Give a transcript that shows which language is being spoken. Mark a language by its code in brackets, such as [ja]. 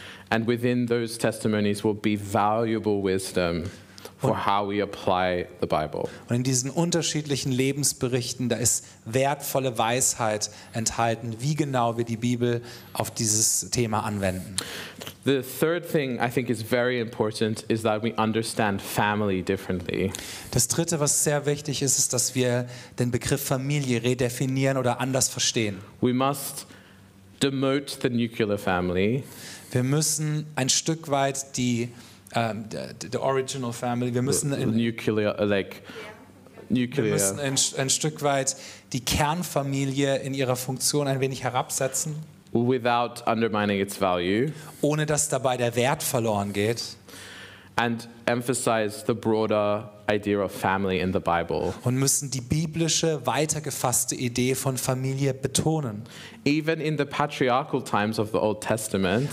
[en] And within those testimonies will be valuable wisdom for how we apply the Bible. [de] Und in diesen unterschiedlichen Lebensberichten, da ist wertvolle Weisheit enthalten, wie genau wir die Bibel auf dieses Thema anwenden. [en] The third thing I think is very important is that we understand family differently. [de] Das dritte, was sehr wichtig ist, ist, dass wir den Begriff Familie redefinieren oder anders verstehen. [en] We must demote the nuclear family. [de] Wir müssen ein Stück weit die [en] the original family, [de] wir müssen ein Stück weit die Kernfamilie in ihrer Funktion ein wenig herabsetzen, [en] without undermining its value, [de] ohne dass dabei der Wert verloren geht, [en] and emphasize the broader idea of family in the Bible, [de] und müssen die biblische weitergefasste Idee von Familie betonen. [en] Even in the patriarchal times of the Old Testament,